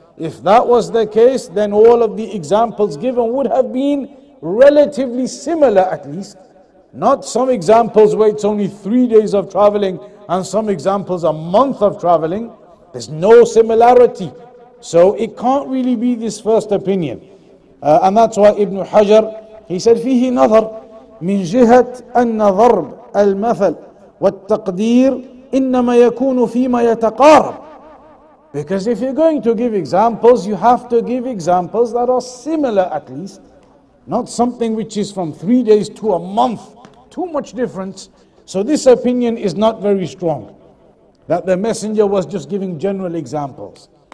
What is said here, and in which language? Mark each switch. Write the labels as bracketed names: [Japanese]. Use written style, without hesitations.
[English] If that was the case, then all of the examples given would have been relatively similar at least. Not some examples where it's only 3 days of traveling and some examples a month of traveling. There's no similarity. So it can't really be this first opinion. And that's why Ibn Hajar, he said, [Arabic] فيه نظر من جهة أن ضرب المثل والتقدير إنما يكون فيما يتقارب. [English] Because if you're going to give examples, you have to give examples that are similar at least. Not something which is from 3 days to a month. Too much difference. So this opinion is not very strong. That the messenger was just giving general examples.